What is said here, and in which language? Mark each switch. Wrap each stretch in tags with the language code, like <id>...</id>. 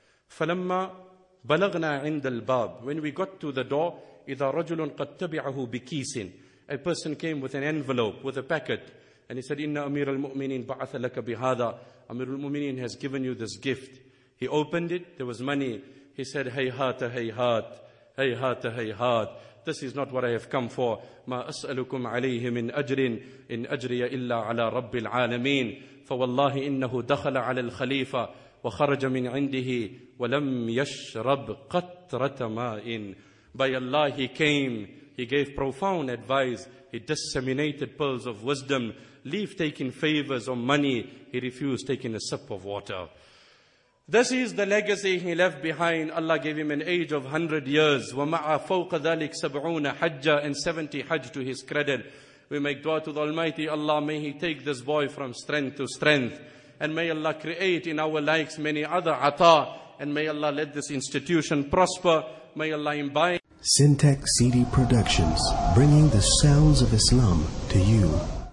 <ar>فَلَمَّا بَلَغْنَا عِنْدَ الْبَابِ</ar> <en>when we got to the door,</en> <ar>إِذَا رَجُلٌ قَدْ تَبِعَهُ بِكِيسٍ</ar> <en>a person came with an envelope, with a packet, and he said,</en> <ar>إِنَّ أَمِيرَ الْمُؤْمِنِينَ بَعَثَ لَكَ بِهَذَا أَمِيرُ الْمُؤْمِنِينَ</ar> <en>has given you this gift. He opened it, there was money. He said,</en> <ar>هَيْهَاتَ هَيْهَاتَ هَيْهَاتَ هَيْهَاتَ</ar> <en>this is not what I have come for.</en> <ar>مَا أَسْأَلُكُمْ عَلَيْهِ مِنْ أَجْرٍ إِنْ أَجْرِيَ إِلَّا عَلَى رَبِّ الْعَالَمِينَ فوالله إنه دخل على الخليفة وخرج من عنده ولم يشرب قطرة ماء.</ar> <en>By Allah he came, he gave profound advice, he disseminated pearls of wisdom. Leave taking favors or money, he refused taking a sip of water. This is the legacy he left behind. Allah gave him an age of 100 years.</en> <ar>وَمَعَ فَوْقَ ذَلِكَ 70 حَجَّ</ar> <en>and 70</en> <ar>حج to his credit.</ar> <en>We make dua to the Almighty Allah, may He take this boy from strength to strength. And may Allah create in our likes many other ata. And may Allah let this institution prosper. May Allah imbibe. Syntax CD Productions, bringing the sounds of Islam to you.</en>